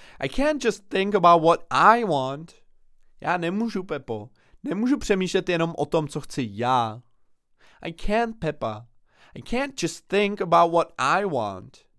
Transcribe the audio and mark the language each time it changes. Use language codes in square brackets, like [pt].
[en] I can't just think about what I want. [cs] Já nemůžu, Pepo. Nemůžu přemýšlet jenom o tom, co chci já. [en] I can't, Pepa. I can't just think about what I want.